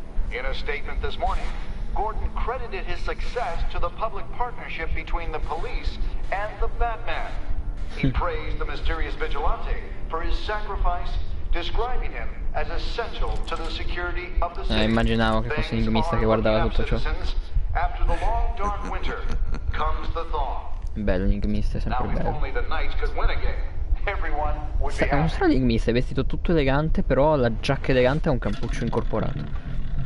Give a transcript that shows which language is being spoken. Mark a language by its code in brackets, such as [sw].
[en] In a statement this morning, Gordon credited his success to the public partnership between the police and the Batman. He praised the mysterious vigilante for his sacrifice, describing him as essential to the security of the city. [it] Immaginavo che fosse l'ingumista che guardava tutto ciò. [en] After the long dark winter comes the thaw. [it] Bello, l'ingumista è sempre bello. [en] Now if only the knights could win again, everyone would be happy. [it] È un strano ingumista, è vestito tutto elegante, però la giacca elegante ha un cappuccio incorporato.